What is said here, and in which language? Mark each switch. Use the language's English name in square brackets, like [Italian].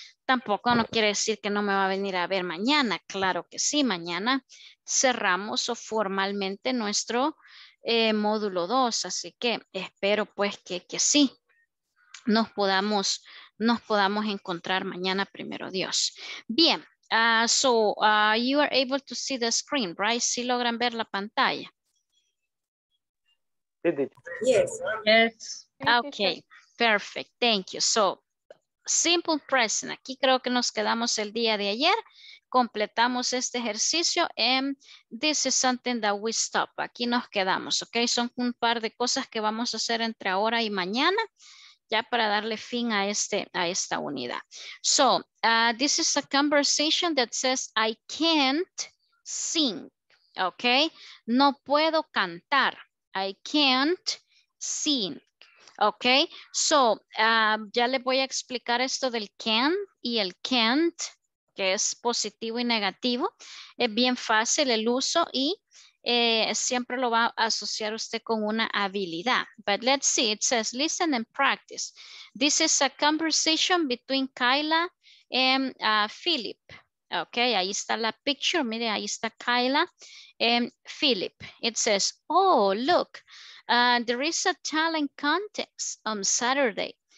[Spanish] tampoco no quiere decir que no me va a venir a ver mañana, claro que sí, mañana cerramos formalmente nuestro módulo 2, así que espero pues que sí, nos podamos encontrar mañana, primero Dios. [English] Bien, you are able to see the screen, right? [Spanish] Si logran ver la pantalla. [English] Yes. Yes. Okay. Perfect. Thank you. So, simple present. [Spanish] Aquí creo que nos quedamos el día de ayer. Completamos este ejercicio. [English] And this is something that we stop. [Spanish] Aquí nos quedamos. Okay. Son un par de cosas que vamos a hacer entre ahora y mañana, ya para darle fin a esta unidad. [English] So, this is a conversation that says I can't sing. Okay. [Spanish] No puedo cantar. [English] I can't sing. [Spanish] Ok, so ya les voy a explicar esto del can y el can't, que es positivo y negativo. Es bien fácil el uso y siempre lo va a asociar usted con una habilidad. [English] But let's see, it says listen and practice. This is a conversation between Kyla and Philip. [Spanish] Ok, ahí está la picture, mire, ahí está Kyla and Philip. [English] It says, oh, look, there is a talent contest on Saturday.